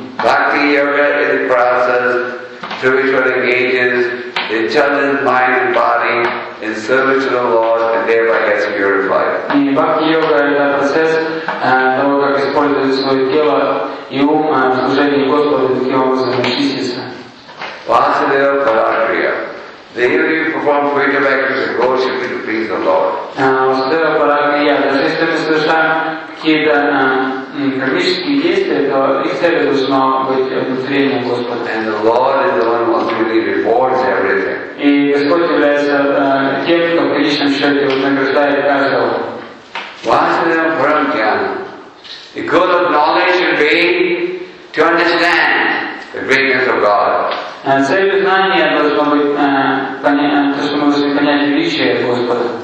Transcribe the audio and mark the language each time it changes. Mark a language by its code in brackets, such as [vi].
[en] Bhakti yoga is the process through which one engages the intelligent mind and body in service to the Lord and thereby gets purified. Bhakti yoga is the process [ru] того, как использует свое тело и ум в служении Господу, таким образом очистится. [en] Vasudeva Paratriya. The year you perform Puja Bhakti, the goal should be to please the Lord. Vasudeva Paratriya. [ru] Даже если мы совершаем какие-то кармические действия, то их цель должна быть удовлетворение Господа. [en] And the Lord is the one who ultimately rewards everything. [ru] И Господь является тем, кто в конечном счете вознаграждает каждого. [en] Vasudeva Paratriya. The goal of knowledge should be to understand the greatness of God. [ru] Целью знания должно быть то, что мы должны понять величие Господа.